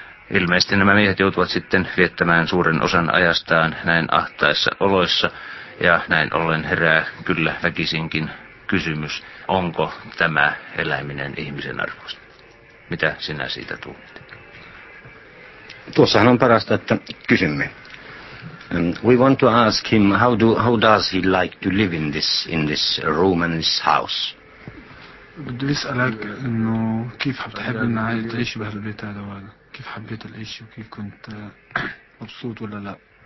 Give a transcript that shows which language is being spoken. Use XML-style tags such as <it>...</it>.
<fi>Ilmeisesti nämä miehet joutuvat sitten viettämään suuren osan ajastaan näin ahtaissa oloissa. Ja näin ollen herää kyllä väkisinkin kysymys, onko tämä eläminen ihmisen arvoista. Mitä sinä siitä tunnet? Tuossahan on parasta, että kysymme.</fi> <en>We want to ask him, how does he like to live in this room and this house?</en> <ar>بدلس عليك انه كيف حتحب انه تعيش بهالبيت هذا وهذا كيف حبيت العيش وكيف كنت مبسوط ولا لا</ar>